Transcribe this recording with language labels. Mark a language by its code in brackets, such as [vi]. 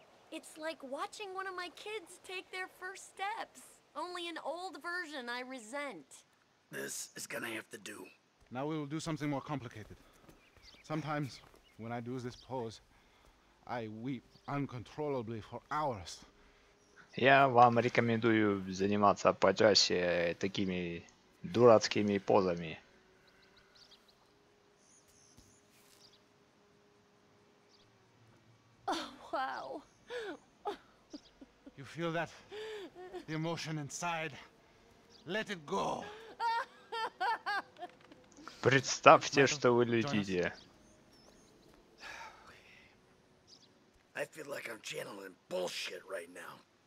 [en] It's like watching one of my kids take their first steps. Only an old version I resent. This is gonna have to do. Now we will do something more complicated. Sometimes, when I do this pose, I weep uncontrollably for hours. [ru] Я вам рекомендую заниматься почаще такими дурацкими позами. [en] You feel that? The emotion inside. Let it go. [ru] Представьте, что вы летите. [en] I feel like I'm channeling bullshit right now.